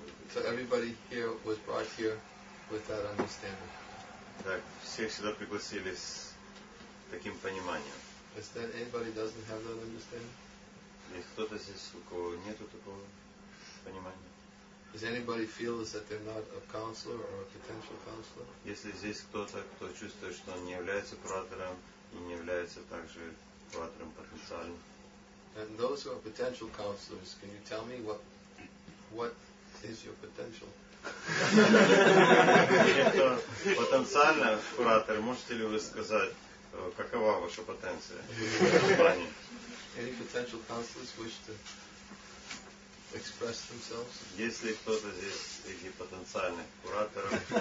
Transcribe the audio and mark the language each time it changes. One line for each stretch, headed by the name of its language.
English: So everybody here was brought here with that understanding. Is that anybody doesn't have that understanding? Does anybody feel that they're not a counselor or a potential counselor?
Russian: Если здесь кто-то, кто чувствует, что он не является куратором и не является также куратором потенциальным.
English: And those who are potential counselors, can you tell me what is your potential?
Russian: Потенциально куратор, можете ли вы сказать, какова ваша потенция в компании?
English: Any potential counselors wish to express themselves.
Russian: Если кто-то здесь из потенциальных кураторов,